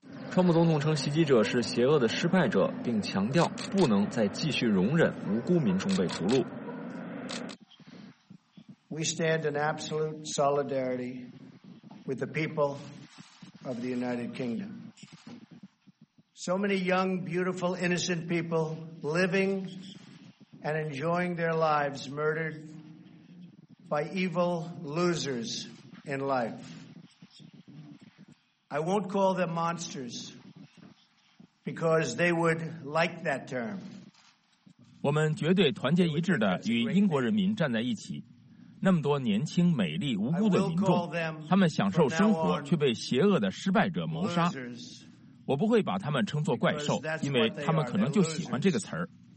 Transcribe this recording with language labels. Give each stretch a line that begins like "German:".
Chinese: 川普总统称袭击者是邪恶的失败者，并强调不能再继续容忍无辜民众被屠戮。
English: We stand in absolute solidarity with the people of the United Kingdom. So many young, beautiful, innocent people living and enjoying their lives murdered by evil losers in life. I won't call them monsters because they would like that term.
Chinese: 我们绝对团结一致地与英国人民站在一起。那么多年轻、美丽、无辜的民众，他们享受生活却被邪恶的失败者谋杀。我不会把他们称作怪兽，因为他们可能就喜欢这个词儿。